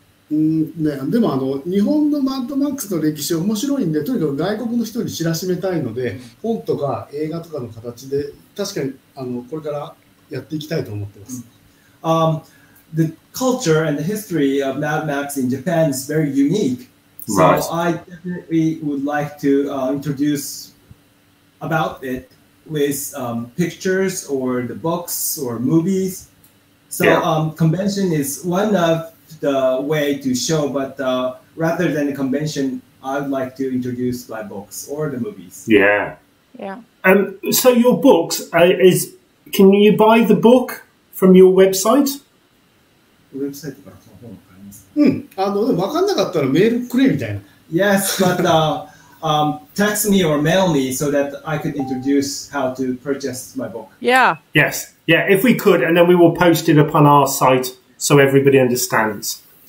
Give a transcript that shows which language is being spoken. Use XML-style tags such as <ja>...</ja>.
<ja>でも日本のマッドマックスの歴史面白いんで、とにかく外国の人に知らしめたいので、本とか映画とかの形で、確かにこれからやっていきたいと思ってます。</ja> <en>The culture and the history of Mad Max in Japan is very unique. So I definitely would like to introduce about it with pictures or the books or movies. So convention is one of the way to show, but rather than the convention, I'd like to introduce my books or the movies. Yeah. Yeah. So your books, can you buy the book from your website? Website?</en> <ja>わかんなかったらメールくれみたいな。</ja> <en>Yes, but text me or mail me so that I could introduce how to purchase my book. Yeah. Yes. Yeah, if we could, and then we will post it up on our site so everybody understands.</en>